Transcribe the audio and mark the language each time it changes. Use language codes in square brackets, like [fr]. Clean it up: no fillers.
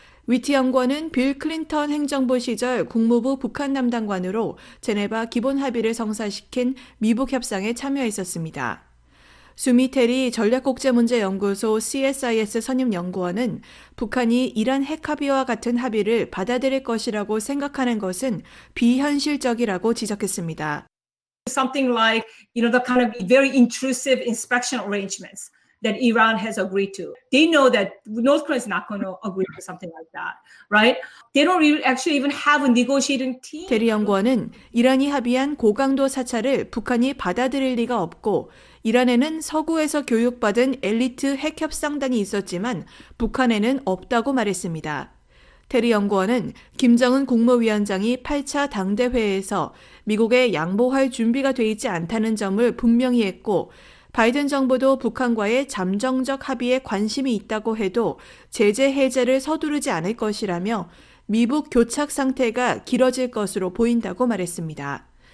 [ko] 위티 연구원은 빌 클린턴 행정부 시절 국무부 북한 담당관으로 제네바 기본 합의를 성사시킨 미북 협상에 참여했었습니다. 수미 테리 전략국제문제연구소 CSIS 선임연구원은 북한이 이란 핵 합의와 같은 합의를 받아들일 것이라고 생각하는 것은 비현실적이라고 지적했습니다. [en] Something like, you know, the kind of very intrusive inspection arrangements that Iran has agreed to. They know that North Korea is not going to agree to something like that, right? They don't actually even have a negotiating team. [ko] 테리 연구원은 이란이 합의한 고강도 사찰을 북한이 받아들일 리가 없고 이란에는 서구에서 교육받은 엘리트 핵협상단이 있었지만 북한에는 없다고 말했습니다. 테리 연구원은 김정은 국무위원장이 8차 당대회에서 미국에 양보할 준비가 돼 있지 않다는 점을 분명히 했고 바이든 정부도 북한과의 잠정적 합의에 관심이 있다고 해도 제재 해제를 서두르지 않을 것이라며 미북 교착 상태가 길어질 것으로 보인다고 말했습니다.